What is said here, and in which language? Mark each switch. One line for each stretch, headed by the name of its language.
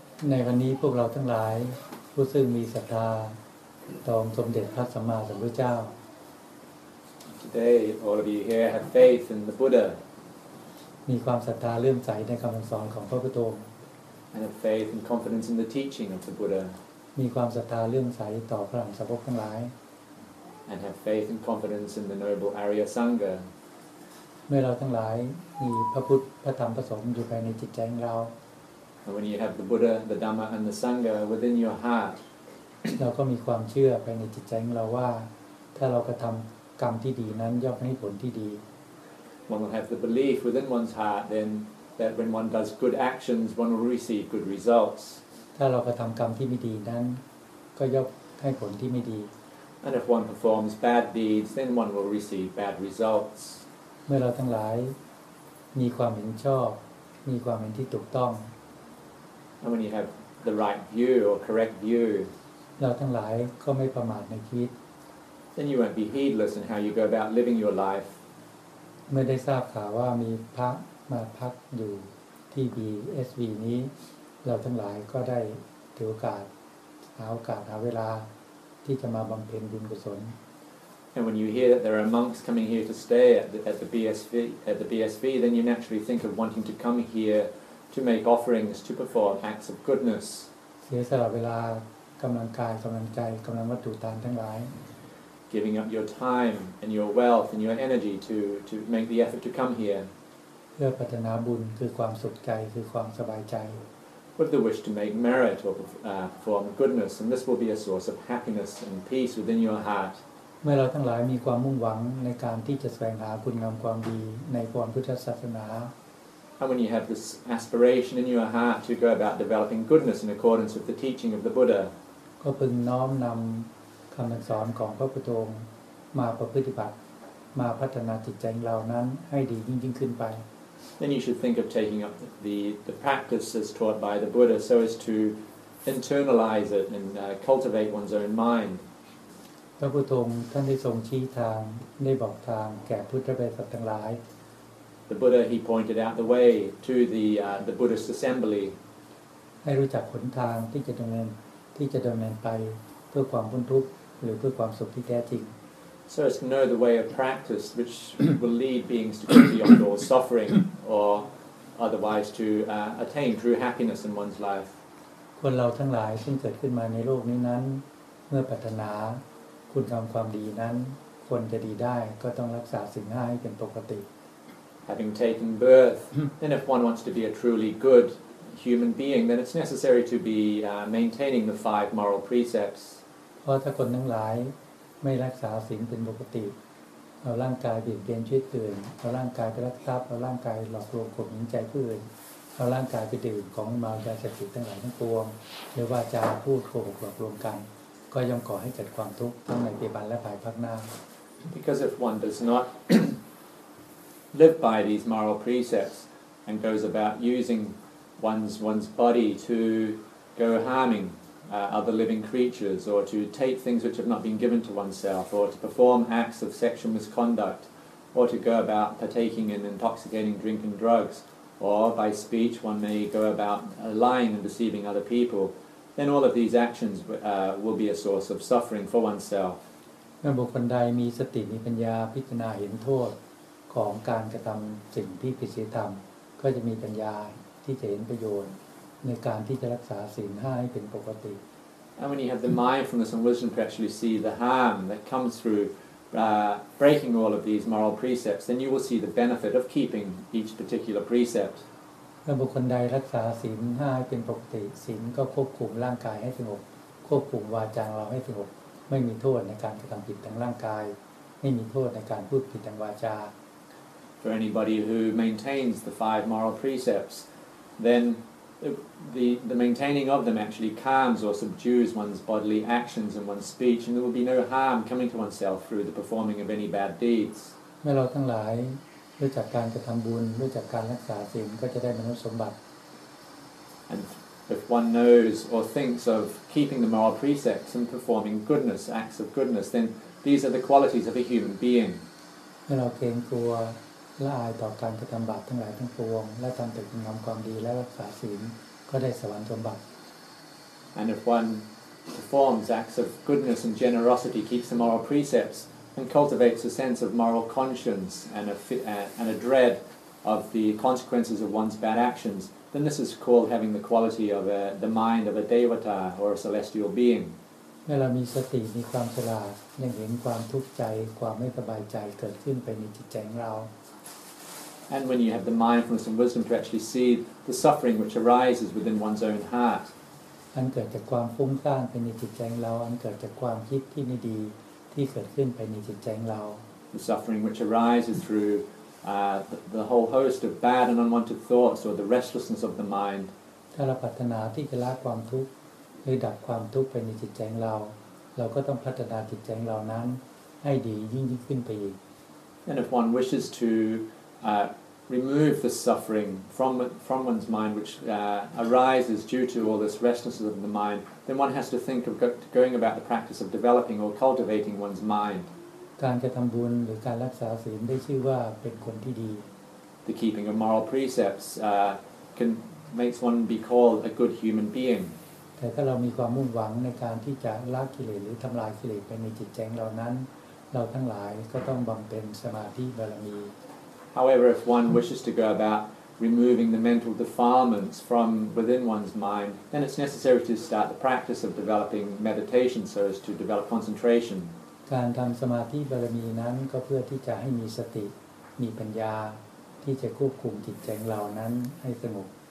Thai: ในวันนี้พวกเราทั้งหลายผู้ซึ่งมีศรัทธาต่อองค์สมเด็จพระสัมมาสัมพุทธเจ้า
English: Today all of you here have faith in the Buddha
Thai: มีความศรัทธาเลื่อมใสในคำสอนของพระพุทธองค์
English: And have faith and confidence in the teaching of the Buddha
Thai: มีความศรัทธาเลื่อมใสต่อพระอริยสาวกทั้งหลาย
English: And have faith and confidence in the noble Arya Sangha
Thai: เมื่อเราทั้งหลายมีพระพุทธพระธรรมพระสงฆ์อยู่ภายในจิตใจของเรา
English: And when you have the Buddha, the Dhamma, and the Sangha within your heart,
Thai: เราก็มีความเชื่อภายในจิตใจของเราว่าถ้าเรากระทำกรรมที่ดีนั้นย่อมให้ผลที่ดี
English: One will have the belief within one's heart then that when one does good actions, one will receive good results.
Thai: ถ้าเรากระทำกรรมที่ไม่ดีนั้นก็ย่อมให้ผลที่ไม่ดี
English: And if one performs bad deeds, then one will receive bad results.
Thai: เมื่อเราทั้งหลายมีความเห็นชอบมีความเห็นที่ถูกต้อง
English: And when you have the right view or correct view,
Thai: เราทั้งหลายก็ไม่ประมาทในชีวิต
English: Then you won't be heedless in how you go about living your life.
Thai: เมื่อได้ทราบข่าวว่ามีพระมาพักอยู่ที่ BSV นี้เราทั้งหลายก็ได้ถือโอกาสหาโอกาสหาเวลาที่จะมาบำเพ็ญบุญกุศล
English: And when you hear that there are monks coming here to stay at the BSV, then you naturally think of wanting to come here. To make offerings, to perform acts of goodness.
Thai: เสียสละเวลากำลังกายกำลังใจกำลังวัตถุทานทั้งหลาย
English: Giving up your time and your wealth and your energy to make the effort to come here.
Thai: เพื่อพัฒนาบุญคือความสุขใจคือความสบายใจ
English: With the wish to make merit or perform goodness, and this will be a source of happiness and peace within your heart.
Thai: เมื่อเราทั้งหลายมีความมุ่งหวังในการที่จะแสวงหาคุณงามความดีในพรพุทธศาสนา
English: And when you have this aspiration in your heart to go about developing goodness in accordance with the teaching of the Buddha,
Thai: ก็เพิ่งน้อมนำคำสอนของพระพุทธองค์มาประพฤติปฏิบัติมาพัฒนาจิตใจเรานั้นให้ดียิ่งยิ่งขึ้นไป
English: Then you should think of taking up the practice as taught by the Buddha so as to internalize it and cultivate one's own mind.
Thai: พระพุทธองค์ท่านได้ทรงชี้ทางได้บอกทางแก่พุทธบริษัททั้งหลาย
English: The Buddha, he pointed out the way to the Buddhist assembly.
Thai: ให้รู้จักหนทางที่จะดำเนินไปเพื่อความพ้นทุกข์หรือเพื่อความสุขที่แท้จริง
English: So as to know the way of practice, which will lead beings to go beyond all suffering, or otherwise to attain true happiness in one's life.
Thai: คนเราทั้งหลายซึ่งเกิดขึ้นมาในโลกนี้นั้นเมื่อปรารถนาคุณงามความดีนั้นคนจะดีได้ก็ต้องรักษาสิ่งห้าให้เป็นปกติ
English: Having taken birth, then if one wants to be a truly good human being, then it's necessary to be maintaining the five moral precepts.
Thai: เพราะถ้าคนทั้งหลายไม่รักษาศีลเป็นปกติเอาร่างกายเบียดเบียนชีวิตอื่นเอาร่างกายไปรักทรัพย์เอาร่างกายหลอกลวงข่มเหงใจผู้อื่นเอาร่างกายไปดื่มของมายาเสพติดทั้งหลายทั้งปวงหรือว่าจะพูดโกหกหลอกลวงกันก็ย่อมก่อให้เกิดความทุกข์ทั้งในปัจจุบันและภายภาคหน้า
English: Because if one does not live by these moral precepts and goes about using one's body to go harming other living creatures or to take things which have not been given to oneself or to perform acts of sexual misconduct or to go about partaking in intoxicating drink and drugs or by speech one may go about lying and deceiving other people then all of these actions will be a source of suffering for oneself
Thai: เมื่อบุคคลใดมีสติมีปัญญาพิจารณาเห็นโทษของการกระทำสิ่งที่ผิดศีลธรรมก็จะมีปัญญาที่จะเห็นประโยชน์ในการที่จะรักษาศีลห้าให้เป็นปกติ
English: And when you have the mindfulness and wisdom to actually see the harm that comes through breaking all of these moral precepts then you will see the benefit of keeping each particular precept
Thai: เมื่อบุคคลใดรักษาศีลห้าให้เป็นปกติศีลก็ควบคุมร่างกายให้สงบควบคุมวาจาเราให้สงบไม่มีโทษในการกระทำผิดทางร่างกายไม่มีโทษในการพูดผิดทางวาจา
English: For anybody who maintains the five moral precepts, then the maintaining of them actually calms or subdues one's bodily actions and one's speech, and there will be no harm coming to oneself through the performing of any bad deeds.
Thai: เมื่อเราทั้งหลายรู้จักการกระทำบุญรู้จักการรักษาศีลก็จะได้มนุษย์สมบัติ
English: And if one knows or thinks of keeping the moral precepts and performing goodness, acts of goodness, then these are the qualities of a human being.
Thai: เมื่อเราเกรงกลัวละอายต่อการกระทำบาปทั้งหลายทั้งปวงและทำแต่คุณงามความดีและรักษาศีลก็ได้สวรรค์สมบัติ
English: And if one performs acts of goodness and generosity, keeps the moral precepts, and cultivates a sense of moral conscience and a dread of the consequences of one's bad actions, then this is called having the quality of the mind of a devata or a celestial being.
Thai: เรามีสติมีความฉลาดยังเห็นความทุกข์ใจความไม่สบายใจเกิดขึ้นไปในจิตใจของเรา
English: And when you have the mindfulness and wisdom to actually see the suffering which arises within one's own heart
Thai: อันเกิดจากความฟุ้งซ่านไปในจิตใจของเราอันเกิดจากความคิดที่ไม่ดีที่เกิดขึ้นไปในจิตใจของเรา
English: The suffering which arises throughthe whole host of bad and unwanted thoughts or the restlessness of the mind
Thai: ถ้าเราปรารถนาที่จะละความทุกข์หรือดับความทุกข์ไปในจิตใจของเราเราก็ต้องพัฒนาจิตใจของเรานั้นให้ดียิ่งขึ้นไปอีก
English: And if one wishes to remove the suffering from one's mind which arises due to all this restlessness of the mind then one has to think of going about the practice of developing or cultivating one's mind
Thai: การจะทำบุญหรือการรักษาศีลได้ชื่อว่าเป็นคนที่ดี
English: The keeping of moral precepts can makes one be called a good human being
Thai: แต่ถ้าเรามีความมุ่งหวังในการที่จะละกิเลสหรือทำลายกิเลสไปในจิตใจเรานั้นเราทั้งหลายก็ต้องบำเพ็ญสมาธิบารมี
English: However if one wishes to go about removing the mental defilements from within one's mind then it's necessary to start the practice of developing meditation so as to develop concentration
Thai: การทำสมาธิบารมีนั้นก็เพื่อที่จะให้มีสติมีปัญญาที่จะควบคุมจิตใจเรานั้นให้สงบ